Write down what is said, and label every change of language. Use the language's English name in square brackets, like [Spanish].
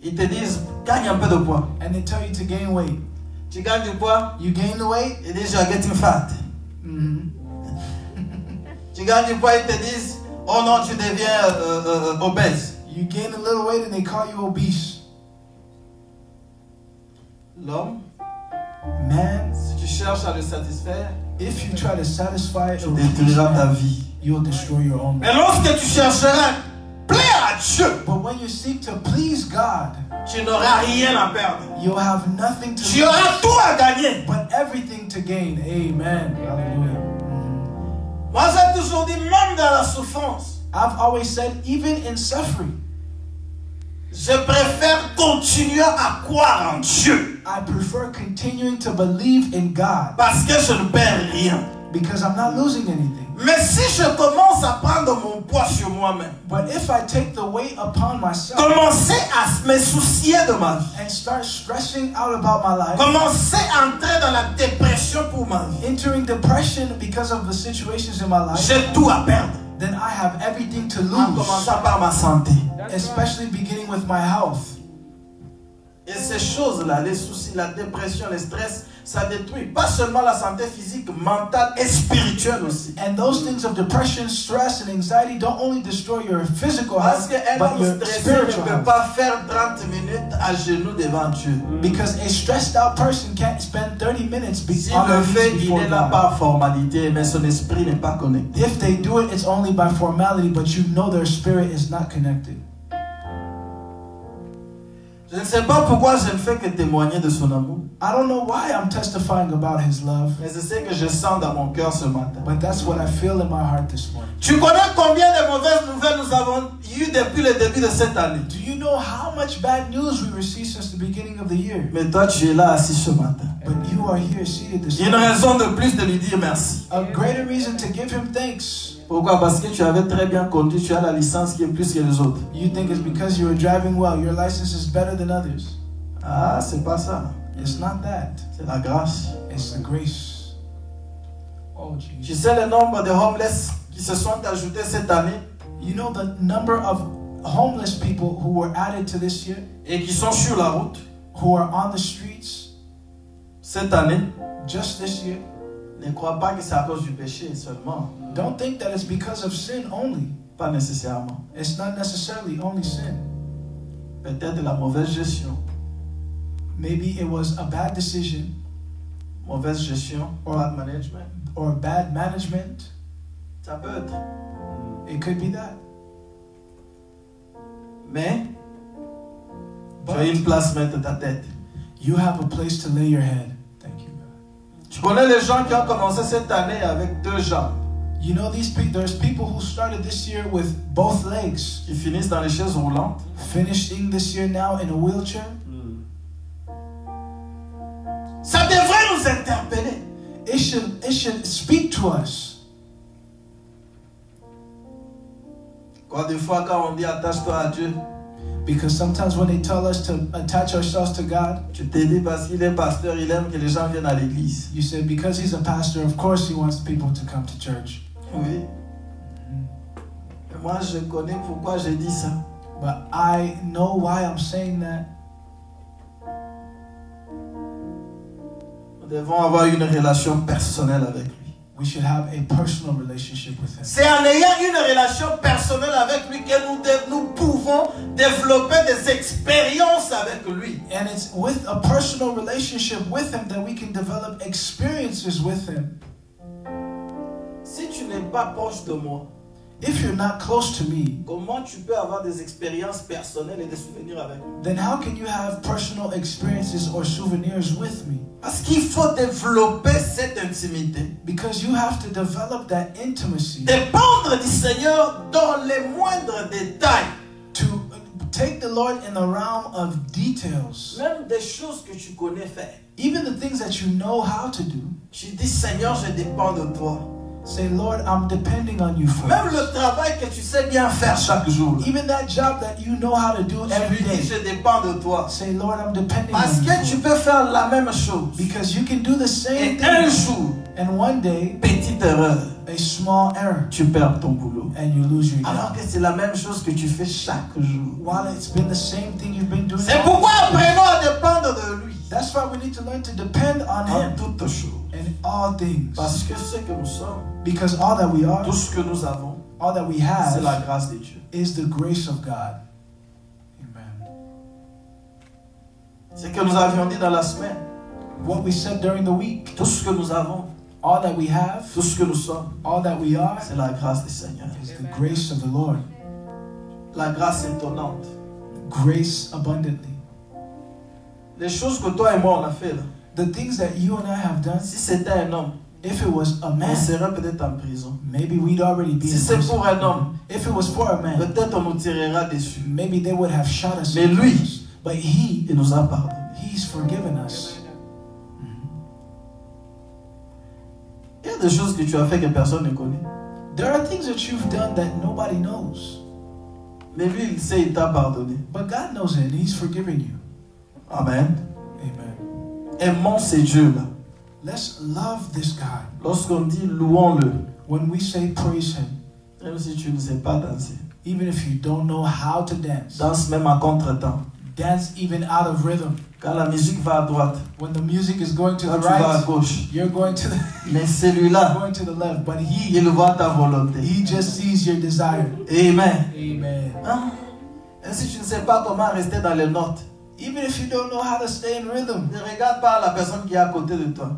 [French] Ils te disent gagne un peu de poids. [English] And they tell you to gain weight. [French] Tu gagnes du poids? [English] You gain the weight. [French] Ils disent [English] you're getting fat. Mm-hmm. [French] Tu gagnes du poids? Ils te disent oh non, tu deviens obèse. [English] You gain a little weight and they call you obese. [French] L'homme, [English] man, [French] si tu cherches à le satisfaire, [English] if you try to satisfy, [French] tu détruiras ta vie. [English] You'll destroy your own. [French] Mais lorsque tu chercheras plaire à Dieu, [English] but when you seek to please God, [French] tu n'auras rien à perdre. [English] You'll have nothing to lose. [French] Tu auras tout à gagner. [English] But everything to gain. Amen. Hallelujah. [French] Moi, j'ai toujours dit, même dans la souffrance, [English] I've always said, even in suffering, [French] je préfère continuer à croire en Dieu. [English] I prefer continuing to believe in God. [French] Parce que je ne perds rien. [English] Because I'm not losing anything. [French] Mais si je commence à prendre mon poids sur moi-même. [English] But if I take the weight upon myself. [French] Commencer à me soucier de ma vie. [English] And start stressing out about my life. [French] Commencer à entrer dans la dépression pour ma vie. [English] Entering depression because of the situations in my life. [French] J'ai tout à perdre. [English] Then I have everything to lose. [French] En commençant par ma santé. [English] Especially beginning with my health. [French] Et ces choses-là, les soucis, la dépression, le stress, ça détruit pas seulement la santé physique, mentale et spirituelle aussi. [English] And those things of depression, stress and anxiety don't only destroy your physical health, but your spiritual health. [French] Parce qu'un homme stressé ne peut pas faire 30 minutes à genoux devant Dieu. [English] Because a stressed out person can't spend 30 minutes on their knees before God. [French] Si le fait, il n'est pas formalité, mais son esprit n'est pas connecté. [English] If they do it, it's only by formality, but you know their spirit is not connected. [French] Je ne sais pas pourquoi je ne fais que témoigner de son amour. [English] I don't know why I'm testifying about his love. [French] Mais c'est ce que je sens dans mon cœur ce matin. [English] But that's what I feel in my heart this morning. [French] Tu connais combien de mauvaises nouvelles nous avons eues depuis le début de cette année? [English] Do you know how much bad news we received since the beginning of the year? [French] Mais toi, tu es là assis ce matin. [English] But you are here seated this morning. [French] Il y a une raison de plus de lui dire merci. [English] A greater reason to give him thanks. [French] Pourquoi? Parce que tu avais très bien conduit, tu as la licence qui est plus que les autres. [English] You think it's because you were driving well, your license is better than others. [French] Ah, c'est pas ça. [English] It's not that. [French] C'est la grâce. [English] It's the grace. Oh, Jesus. [French] Tu sais le nombre de homeless qui se sont ajoutés cette année? [English] You know the number of homeless people who were added to this year, [French] et qui sont sur la route, [English] who are on the streets, [French] cette année, [English] just this year, [French] ne crois pas que c'est à cause du péché seulement. [English] Don't think that it's because of sin only. [French] Pas nécessairement. [English] It's not necessarily only sin. [French] Peut-être la mauvaise gestion. [English] Maybe it was a bad decision. [French] Mauvaise gestion. [English] Or bad management. Or bad management. [French] Ça peut être. [English] It could be that. [French] Mais, tu as une place mettre ta tête. [English] You have a place to lay your head. Thank you. [French] Tu connais les gens qui ont commencé cette année avec deux jambes. [English] You know these people, there's people who started this year with both legs. [French] Qui finissent dans les chaises roulantes. [English] Finishing this year now in a wheelchair. [French] Ça devrait nous interpeller. [English] It should speak to us. [French] Quoi des fois quand on dit attache-toi à Dieu. [English] Because sometimes when they tell us to attach ourselves to God, [French] tu t'es dit parce qu'il est pasteur, il aime que les gens viennent à l'église. [English] You say because he's a pastor, of course he wants people to come to church. [French] Oui. Mm-hmm. Moi, je connais pourquoi je dis ça. [English] But I know why I'm saying that. [French] Nous devons avoir une relation personnelle avec lui. [English] We should have a personal relationship with him. [French] C'est en ayant une relation personnelle avec lui que nous pouvons développer des expériences avec lui. [English] And it's with a personal relationship with him that we can develop experiences with him. [French] Si tu n'es pas proche de moi, [English] if you're not close to me, [French] comment tu peux avoir des expériences personnelles et des souvenirs avec moi? [English] Then how can you have personal experiences or souvenirs with me? [French] Parce qu'il faut développer cette intimité. [English] Because you have to develop that intimacy. [French] Dépendre du Seigneur dans les moindres détails. [English] To take the Lord in the realm of details. [French] Même des choses que tu connais faire. [English] Even the things that you know how to do. [French] Tu dis, Seigneur, je dépends de toi. [English] Say, Lord, I'm depending on you first. [French] Même le travail que tu sais bien faire chaque jour. [English] Even that job that you know how to do every day. [French] Je dépends de toi. [English] Say, Lord, I'm depending on you. [French] Parce que tu peux faire la même chose. [English] Because you can do the same thing. [French] Et un jour. [English] And one day. [French] Petite erreur. [English] A small error. [French] Tu perds ton boulot. [English] And you lose your job. [French] Alors que c'est la même chose que tu fais chaque jour. [English] While it's been the same thing you've been doing. [French] C'est pourquoi apprenons à dépendre de lui. [English] That's why we need to learn to depend on him. [French] En toutes choses. [English] And all things. [French] Parce que ce que nous sommes. [English] Because all that we are, [French] tout ce que nous avons, [English] all that we have, [French] c'est la grâce de Dieu. [English] Is the grace of God. Amen. [French] Ce que nous avions dit dans la semaine, [English] what we said during the week, [French] tout ce que nous avons, [English] all that we have, [French] tout ce que nous sommes, [English] all that we are, [French] c'est la grâce du Seigneur. [English] Is the grace of the Lord. [French] La grâce étonnante. [English] Grace abundantly. [French] Les choses que toi et moi on a fait là, [English] the things that you and I have done, [French] si c'était un homme, [English] if it was a man, [French] on serait peut-être en prison. [English] Maybe we'd already be [French] si [English] in [French] c'est [English] prison. [French] Pour un homme, [English] if it was for a man, [French] peut-être on nous tirera dessus. [English] Maybe they would have shot us. [French] Mais lui, [English] but he, [French] il nous a pardonné. [English] He's forgiven us. [French] Il y a des choses que tu as fait que personne ne connaît. [English] There are things that you've done that nobody knows. [French] Mais lui, il sait, il t'a pardonné. [English] But God knows it, and he's forgiving you. Amen. Amen. [French] Aimons ces dieux-là. [English] Let's love this God. [French] Lorsqu'on dit louons-le, [English] when we say praise him, [French] même si tu ne sais pas danser, [English] even if you don't know how to dance, [French] danse même à contre-temps, [English] dance even out of rhythm, [French] quand la musique va à droite, [English] when the music is going to [French] quand [English] the right, [French] tu vas à gauche, [English] you're going to the, [French] mais celui-là, [English] you're going to the left, but he, [French] il voit ta volonté, [English] he just sees your desire. Amen. Amen. [French] Hein? Et si tu ne sais pas comment rester dans les notes, [English] even if you don't know how to stay in rhythm, [French] ne regarde pas la personne qui est à côté de toi.